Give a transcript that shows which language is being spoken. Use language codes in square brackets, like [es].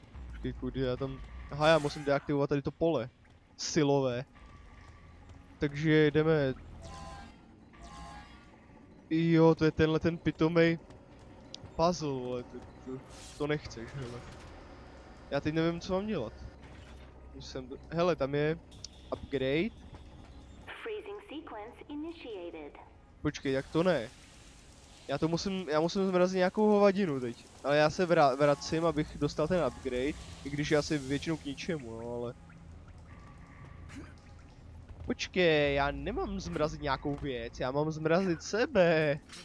[cs] Počkej kudy, já tam... Aha, já musím deaktivovat tady to pole. Silové. Takže jdeme... Jo, to je tenhle ten pitomej... Puzzle, vole, to nechceš, hele. Já teď nevím, co mám dělat. Musím... Hele, tam je... Upgrade. [en] Freezing sequence initiated. [cs] Počkej, jak to ne? Já musím zmrazit nějakou hovadinu teď. Ale já se vracím, abych dostal ten upgrade. I když je asi většinou k ničemu, no, ale... Počkej, já nemám zmrazit nějakou věc, já mám zmrazit sebe.